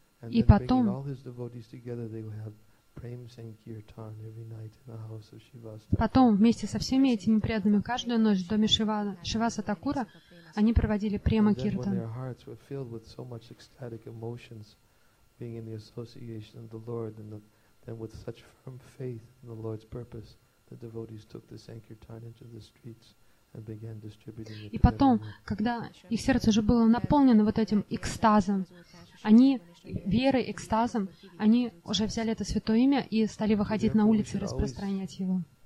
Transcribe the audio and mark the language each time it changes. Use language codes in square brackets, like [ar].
[ru] И потом, вместе со всеми этими преданными, каждую ночь в доме Шиваса Такура они проводили према киртан. [en] And with such firm faith in the Lord's purpose, the devotees took the sankirtan into the streets and began distributing it. [ru] И потом, когда их сердце уже было наполнено вот этим экстазом, они верой, экстазом, они уже взяли это святое имя и стали выходить на улицы и распространять его.